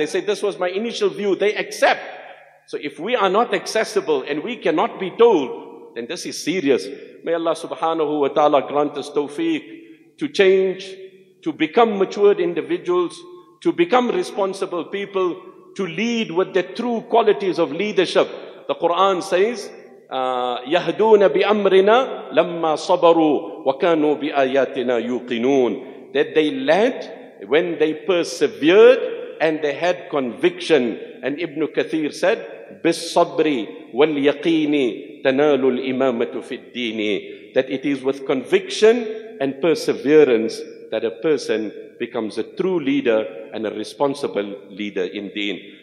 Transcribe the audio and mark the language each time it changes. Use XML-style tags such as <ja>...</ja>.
<en>They say, this was my initial view. They accept. So if we are not accessible and we cannot be told, then this is serious. May Allah subhanahu wa ta'ala grant us tawfiq to change, to become matured individuals, to become responsible people, to lead with the true qualities of leadership. The Quran says,</en> <ar>يَهْدُونَ بِأَمْرِنَا لَمَّا صَبَرُوا وَكَانُوا بِآيَاتِنَا يُوقِنُونَ.</ar> <en>That they led when they persevered and they had conviction. And Ibn Kathir said,</en> <ar>بِالصَّبْرِ وَالْيَقِينِ تَنَالُ الْإِمَامَةُ فِي الدِّينِ.</ar> <en>That it is with conviction and perseverance that a person becomes a true leader and a responsible leader in deen.</en>